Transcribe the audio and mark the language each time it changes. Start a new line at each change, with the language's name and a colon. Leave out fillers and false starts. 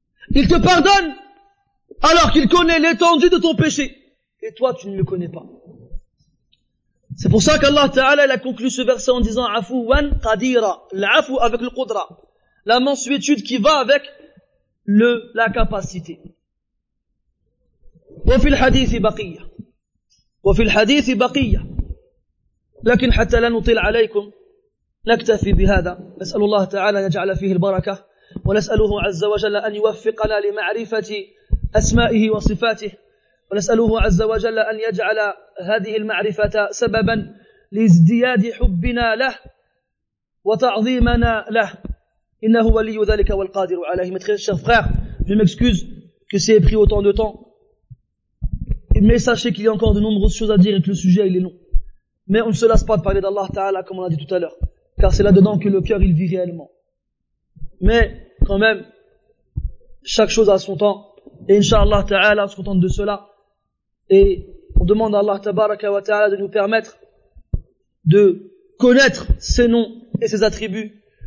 French: Il te pardonne alors qu'il connaît l'étendue de ton péché. Et toi, tu ne le connais pas. C'est pour ça qu'Allah ta'ala, il a conclu ce verset en disant «
Arabic: Afu wan qadira
French: » L'afu avec le qudra. La mansuétude qui va avec la capacité.
Arabic: Wa fil hadithi baqiyya. وفي الحديث بقية لكن حتى لا نطيل عليكم نكتفي بهذا نسأل الله تعالى أن يجعل فيه البركة ونسأله عز وجل أن يوفقنا لمعرفة أسمائه وصفاته ونسأله عز وجل أن يجعل هذه المعرفة سببا لازدياد حبنا له وتعظيمنا له إنه ولي ذلك والقادر عليه متخيل الشرف غير
French: je m'excuse que c'est pris autant de temps. Mais sachez qu'il y a encore de nombreuses choses à dire et que le sujet il est long. Mais on ne se lasse pas de parler d'Allah Ta'ala comme on l'a dit tout à l'heure. Car c'est là-dedans que le cœur il vit réellement. Mais quand même, chaque chose a son temps. Et Inch'Allah Ta'ala se contente de cela. Et on demande à Allah Tabaraka wa Ta'ala de nous permettre de connaître ses noms et ses attributs.